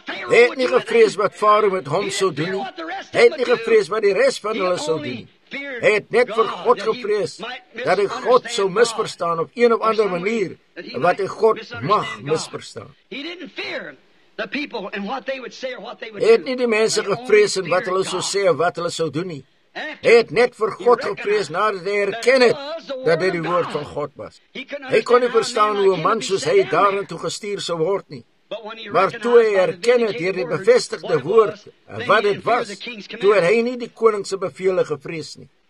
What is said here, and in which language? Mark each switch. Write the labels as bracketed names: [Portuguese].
[Afrikaans] Hy het nie gevrees wat Farao met hom sal doen nie, hy het nie gevrees wat die rest van hulle sal doen nie. Hy het net vir God gevrees dat hy God sou misverstaan op een of ander manier wat hy God mag misverstaan. [English] The people and what they would say or what they would do. [Afrikaans] Het nie die mense gevrees en wat hulle sou sê of wat hulle sou doen nie. Hy het net vir God gevrees nadat hy erken het dat hy die woord van God was. Hy kon nie verstaan hoe 'n man soos hy daarin toe gestuur sou word nie. Maar toe hy erken het deur die bevestigde woord wat dit was, toe het hy nie die koningse bevele gevrees nie.